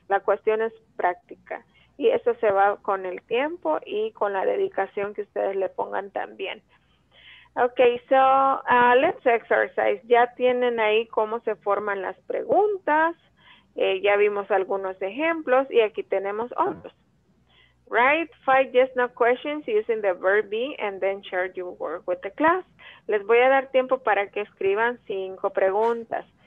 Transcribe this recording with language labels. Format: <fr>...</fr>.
<es>La cuestión es práctica y eso se va con el tiempo y con la dedicación que ustedes le pongan también.</es> <en>Okay, so let's exercise.</en> <es>Ya tienen ahí cómo se forman las preguntas. Ya vimos algunos ejemplos y aquí tenemos otros.</es> <en>Right? 5 yes, no questions using the verb be and then share your work with the class.</en> <es>Les voy a dar tiempo para que escriban 5 preguntas.</es>